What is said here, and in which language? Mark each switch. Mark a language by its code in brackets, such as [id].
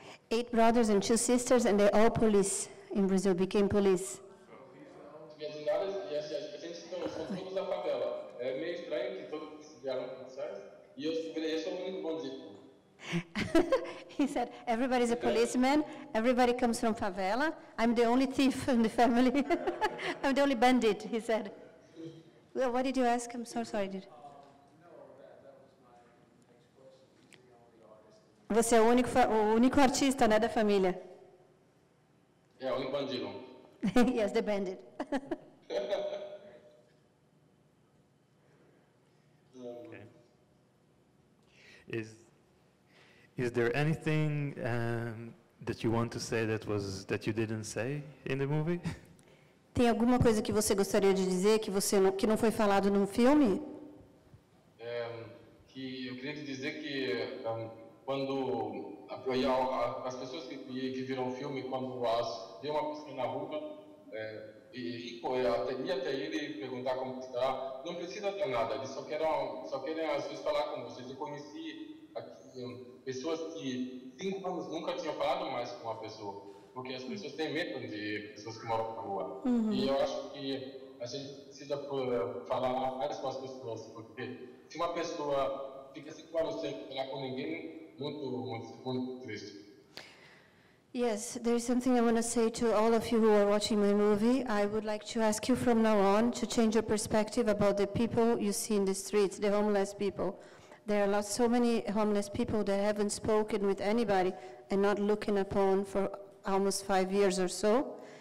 [en] 8 brothers and 2 sisters, and they all police in Brazil, became police. [pt] Minhas irmãs, e as gente estão, são todos da favela. É meio estranho que todos viraram policiais. E eu sou o único bandido. [en] He said, everybody's a policeman, everybody comes from favela. I'm the only thief in the family. I'm the only bandit, he said. Well, what did you ask? I'm so sorry. No, that was my next question. [pt] Você é o único artista, né, da família? É, o único bandido. [en] Yes, the bandit. Okay. Is there anything that you want to say that you didn't say in the movie? [pt] Tem alguma coisa que você gostaria de dizer que você não, que não foi falado no filme? É, que eu queria te dizer que quando as pessoas que viram o filme, quando as vê uma pessoa na rua e até ele perguntar como está, não precisa ter nada, eles só querem às vezes falar com vocês. Eu conheci aqui, pessoas que 5 anos nunca tinham falado mais com uma pessoa. Porque as pessoas têm medo de pessoas que moram na rua. Uhum. E eu acho que a gente precisa falar mais com as pessoas, porque se uma pessoa fica assim com você, falar com ninguém, muito triste. [en] Yes, there is something I want to say to all of you who are watching my movie. I would like to ask you from now on to change your perspective about the people you see in the streets, the homeless people. There are so many homeless people that haven't spoken with anybody and not looking upon for almost 5 years or so.